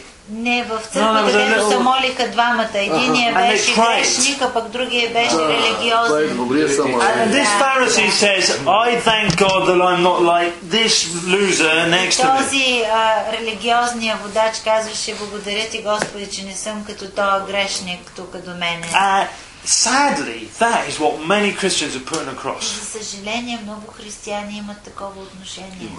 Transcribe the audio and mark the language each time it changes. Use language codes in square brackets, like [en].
[bg] Не, в църквата, където се молиха двамата. Единия беше грешник, а пък другия беше религиозен. [en] And this Pharisee says, I thank God that I'm not like this loser next to me. [bg] Този религиозния водач казваше, благодаря ти, Господи, че не съм като този грешник тук до мене. [en] Sadly, that is what many Christians are putting across. [bg] За съжаление, много християни имат такова отношение.